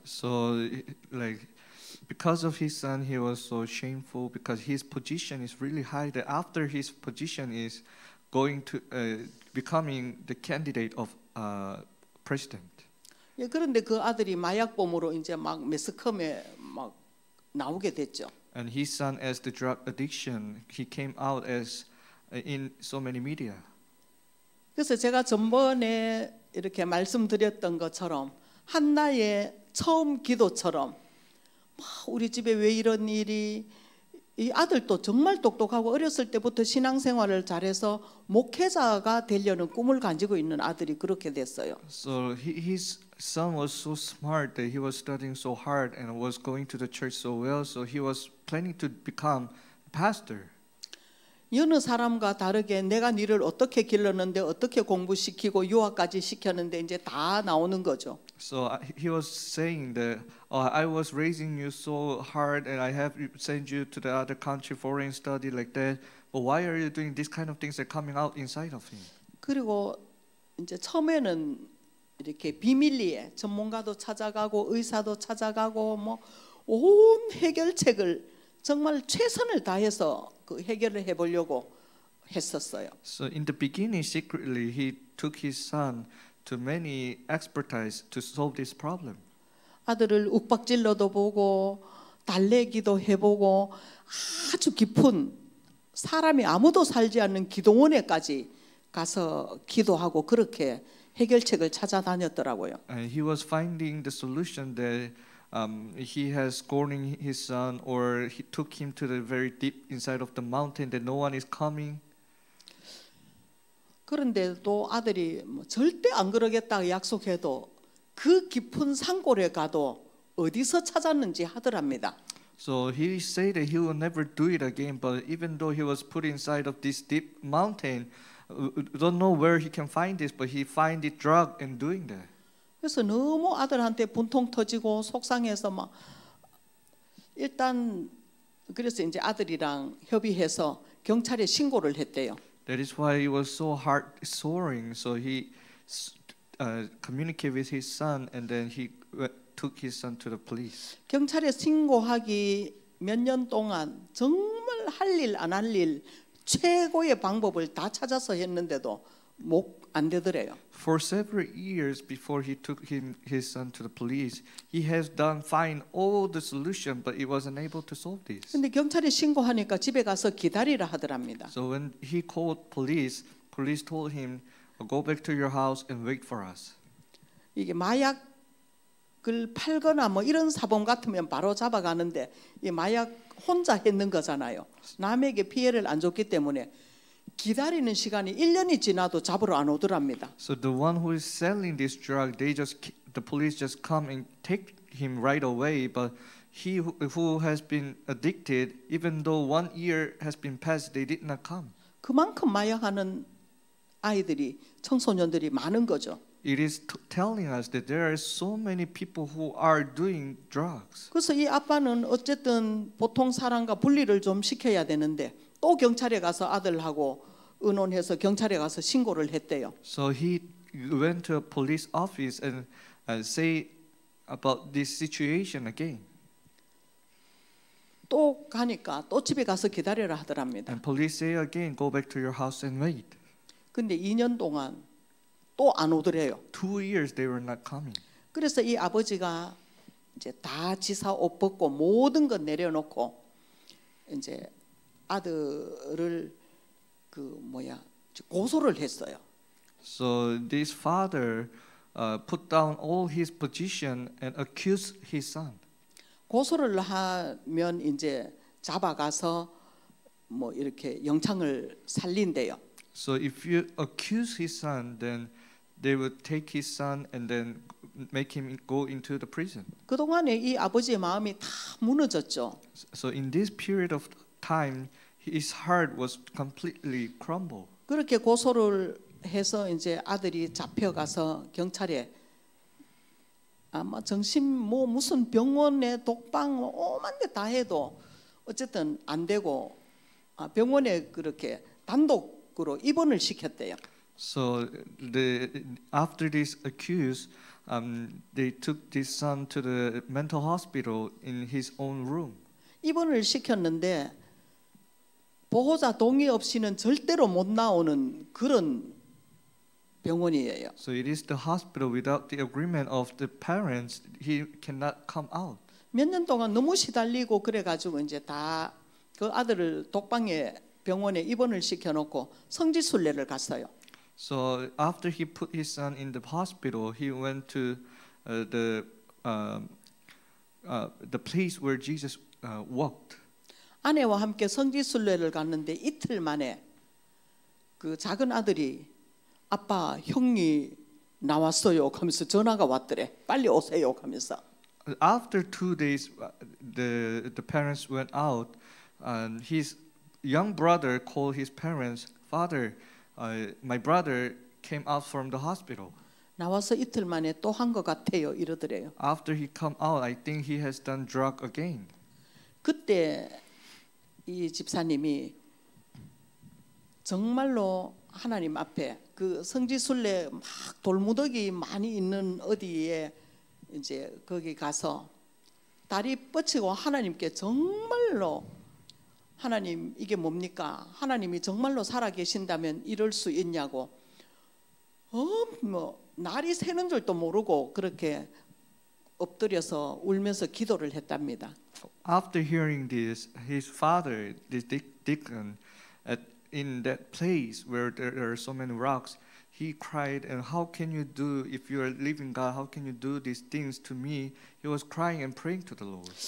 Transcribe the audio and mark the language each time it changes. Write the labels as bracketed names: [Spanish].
[English] So like because of his son, he was so shameful because his position is really high. That after his position is going to becoming the candidate of president. [Korean] 예, 그런데 그 아들이 마약범으로 이제 막 매스컴에 막 나오게 됐죠. [English] And his son as the drug addiction, he came out as in so many media. [Korean] 그래서 제가 전번에 이렇게 말씀드렸던 것처럼 한나의 처음 기도처럼 우리 집에 왜 이런 일이 이 아들도 정말 똑똑하고 어렸을 때부터 신앙생활을 잘해서 목회자가 되려는 꿈을 가지고 있는 아들이 그렇게 됐어요. [English] So his son was so smart that he was studying so hard and was going to the church so well. So he was planning to become a pastor. [Korean] 여느 사람과 다르게 내가 너를 어떻게 길렀는데 어떻게 공부시키고 유학까지 시켰는데 이제 다 나오는 거죠. [English] So he was saying that I was raising you so hard and I have sent you to the other country foreign study like that. But why are you doing these kind of things that are coming out inside of him? [Korean] 그리고 이제 처음에는 이렇게 비밀리에 전문가도 찾아가고 의사도 찾아가고 뭐 온 해결책을 정말 최선을 다해서 그 해결을 해보려고 했었어요. [English] So in the beginning, secretly, he took his son to many expertise to solve this problem. [Korean] 아들을 윽박질러도 보고 달래기도 해보고 아주 깊은 사람이 아무도 살지 않는 기도원에까지 가서 기도하고 그렇게 해결책을 찾아다녔더라고요. [English] And he was finding the solution that he has scorning his son or he took him to the very deep inside of the mountain that no one is coming. [Korean] 그런데도 아들이 뭐 절대 안 그러겠다 약속해도 그 깊은 산골에 가도 어디서 찾았는지 하더랍니다. [English] So he said that he will never do it again, but even though he was put inside of this deep mountain, don't know where he can find this, but he find the drug in doing that. [Korean] 그래서 너무 아들한테 분통 터지고 속상해서 막 일단 그래서 이제 아들이랑 협의해서 경찰에 신고를 했대요. [English] That is why he was so heart soaring. So he communicated with his son, and then he took his son to the police. [Korean] 경찰에 신고하기 몇 년 동안 정말 할 일 안 할 일 최고의 방법을 다 찾아서 했는데도 목 안 되더래요. [English] For several years before he took his son to the police, he has done fine all the solution, but he wasn't able to solve this. [Korean] 근데 경찰에 신고하니까 집에 가서 기다리라 하더랍니다. [English] So when he called police, police told him, "Go back to your house and wait for us." [Korean] 이게 마약 그 팔거나 뭐 이런 사범 같으면 바로 잡아가는데 이 마약 혼자 했는 거잖아요. 남에게 피해를 안 줬기 때문에 기다리는 시간이 1년이 지나도 잡으러 안 오더랍니다. [English] So the one who is selling this drug, they just the police just come and take him right away. But he who has been addicted, even though 1 year has been passed, they did not come. [Korean] 그만큼 마약하는 아이들이 청소년들이 많은 거죠. [English] It is telling us that there are so many people who are doing drugs. [Korean] 그래서 이 아빠는 어쨌든 보통 사람과 분리를 좀 시켜야 되는데 또 경찰에 가서 아들하고 의논해서 경찰에 가서 신고를 했대요. [English] So he went to a police office and say about this situation again. [Korean] 또 가니까 또 집에 가서 기다려라 하더랍니다. [English] And police say again, go back to your house and wait. [Korean] 근데 2년 동안 또 안 오더래요. [English] Two years they were not coming. [Korean] 그래서 이 아버지가 이제 다 지사 옷 벗고 모든 것 내려놓고 이제 아들을 그 뭐야 고소를 했어요. [English] So this father put down all his position and accused his son. [Korean] 고소를 하면 이제 잡아가서 뭐 이렇게 영창을 살린대요. [English] So if you accuse his son, then they would take his son and then make him go into the prison. [Korean] 그동안에 이 아버지의 마음이 다 무너졌죠. [English] So in this period of time, his heart was completely crumbled. [Korean] 그렇게 고소를 해서 이제 아들이 잡혀가서 경찰에 아마 정신 뭐 무슨 병원에 독방 오만 데 다 해도 어쨌든 안 되고 병원에 그렇게 단독으로 입원을 시켰대요. [English] So the after this accuse, they took this son to the mental hospital in his own room. [Korean] 입원을 시켰는데 보호자 동의 없이는 절대로 못 나오는 그런 병원이에요. [English] So it is the hospital without the agreement of the parents. He cannot come out. [Korean] 몇 년 동안 너무 시달리고 그래가지고 이제 다 그 아들을 독방에 병원에 입원을 시켜놓고 성지순례를 갔어요. [English] So after he put his son in the hospital, he went to the place where Jesus walked. [Korean] 아내와 함께 성지순례를 갔는데 이틀 만에 그 작은 아들이 아빠 형이 나왔어요 하면서 전화가 왔더래. 빨리 오세요 하면서. [English] After 2 days, the parents went out, and his young brother called his parents, "Father, my brother came out from the hospital." [Korean] 나와서 이틀 만에 또 한 것 같아요 이러더래요. [English] After he come out, I think he has done drug again. [Korean] 그때 이 집사님이 정말로 하나님 앞에 그 성지순례 막 돌무더기 많이 있는 어디에 이제 거기 가서 다리 뻗치고 하나님께 정말로 하나님 이게 뭡니까? 하나님이 정말로 살아계신다면 이럴 수 있냐고 뭐 날이 새는 줄도 모르고 그렇게 엎드려서 울면서 기도를 했답니다. [English] After hearing this, his father, the deacon, in that place where there are so many rocks, he cried, "And how can you do, if you are living God, how can you do these things to me?" He was crying and praying to the Lord.